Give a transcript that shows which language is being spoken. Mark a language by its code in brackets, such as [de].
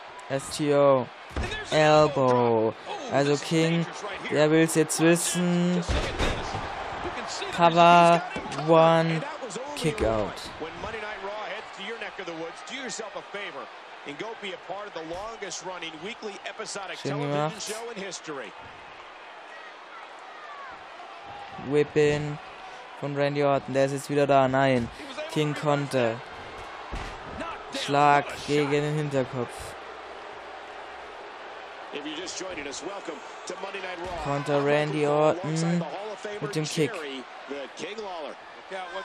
[de] STO. Elbow. Also King, der will es jetzt wissen. [en] Cover. One. Kick out. When Monday Night Raw heads to your neck of the woods, do yourself a favor and go be a part of the longest running weekly episodic television show in history. [de] Whip in von Randy Orton, der ist jetzt wieder da. Nein, King konnte. Schlag gegen den Hinterkopf. [en] If you're just joining us, welcome to Monday Night Raw. [de] Konter Randy Orton mit dem Kick. Ja.